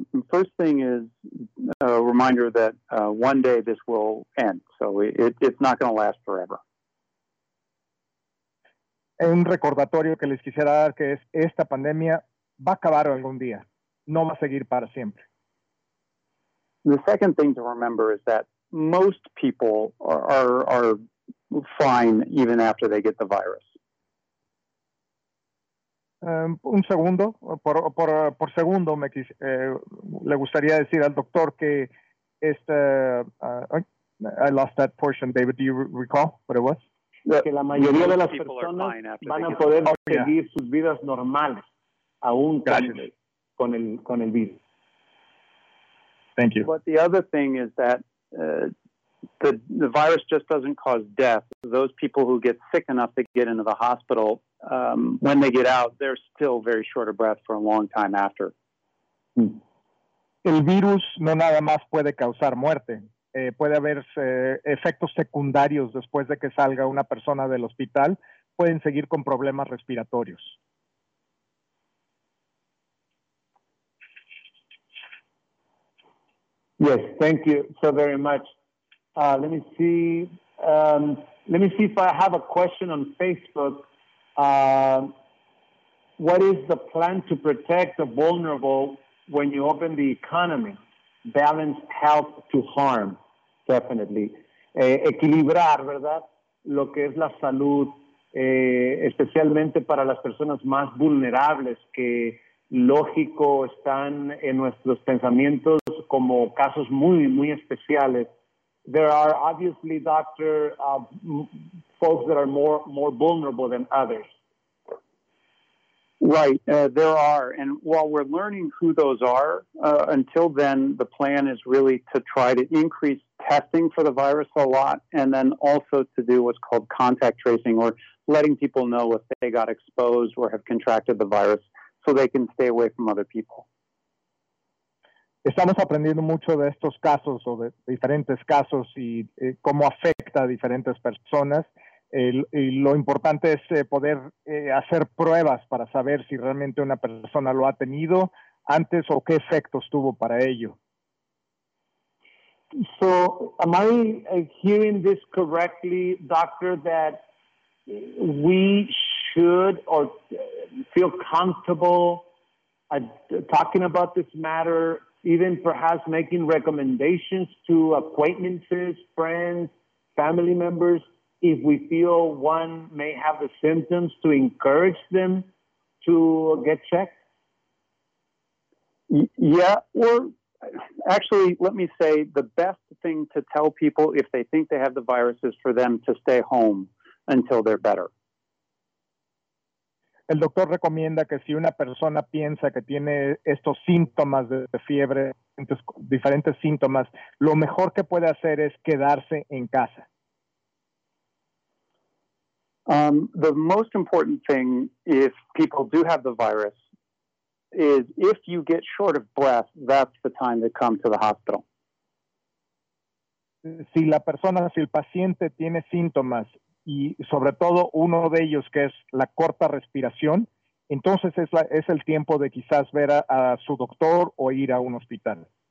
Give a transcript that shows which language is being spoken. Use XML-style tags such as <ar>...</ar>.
<en>First thing is a reminder that one day this will end. So it's not going to last forever.</en> <es>Un recordatorio que les quisiera dar que es esta pandemia va a acabar algún día. No va a seguir para siempre.</es> <en>The second thing to remember is that most people are fine even after they get the virus.</en> <es>Un segundo, por segundo, me le gustaría decir al doctor que este,</es> <en>I lost that portion, David, do you recall what it was?</en> <es>Que la mayoría de las personas van a poder seguir sus vidas normales, aún con el virus.</es> <en>Thank you. But the other thing is that the virus just doesn't cause death. Those people who get sick enough to get into the hospital, when they get out, they're still very short of breath for a long time after.</en> <es>El virus no nada más puede causar muerte. Puede haber efectos secundarios después de que salga una persona del hospital. Pueden seguir con problemas respiratorios.</es> <en>Yes, thank you so very much. Let me see if I have a question on Facebook. What is the plan to protect the vulnerable when you open the economy? Balance health to harm, definitely.</en> <es>Equilibrar, ¿verdad? Lo que es la salud, especialmente para las personas más vulnerables que, lógico, están en nuestros pensamientos como casos muy, muy especiales.</es> <en>There are obviously, doctor, folks that are more vulnerable than others. Right, there are. And while we're learning who those are, until then, the plan is really to try to increase testing for the virus a lot, and then also to do what's called contact tracing, or letting people know if they got exposed or have contracted the virus, so they can stay away from other people.</en> <es>Estamos aprendiendo mucho de estos casos o de diferentes casos y cómo afecta a diferentes personas. Y lo importante es poder hacer pruebas para saber si realmente una persona lo ha tenido antes o qué efectos tuvo para ello.</es> <en>So, am I hearing this correctly, doctor, that we should or feel comfortable talking about this matter, even perhaps making recommendations to acquaintances, friends, family members, if we feel one may have the symptoms, to encourage them to get checked? Yeah, or actually, let me say, the best thing to tell people if they think they have the virus is for them to stay home until they're better.</en> <es>El doctor recomienda que si una persona piensa que tiene estos síntomas de fiebre, diferentes síntomas, lo mejor que puede hacer es quedarse en casa.</es> <en>The most important thing if people do have the virus is if you get short of breath, that's the time to come to the hospital.</en> <es>Si la persona, si el paciente tiene síntomas, y sobre todo uno de ellos que es la corta respiración, entonces es el tiempo de quizás ver a su doctor o ir a un hospital.</es>